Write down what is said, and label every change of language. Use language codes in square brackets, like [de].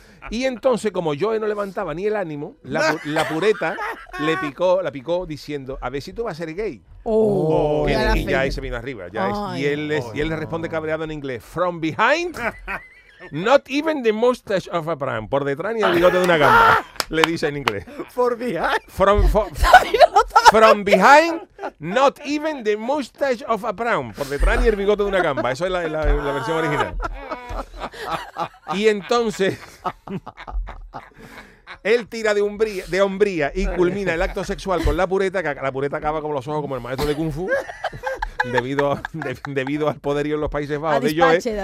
[es] Y entonces, como Joe no levantaba ni el ánimo, la pureta la picó diciendo, a ver si tú vas a ser gay. Oh, y ya ahí se vino arriba. Ya es, y él, es, y él le responde cabreado en inglés, [en] from behind, not even the mustache of a pram. [es] Por detrás ni el bigote de una gamba, le dice en inglés. [en] For behind. From behind, not even the mustache of a pram. [es] Por detrás ni el bigote de una gamba. Eso es la versión original. Y entonces él tira de hombría y culmina el acto sexual con la pureta, que la pureta acaba con los ojos como el maestro de Kung Fu debido al poderío en los Países Bajos de Joe.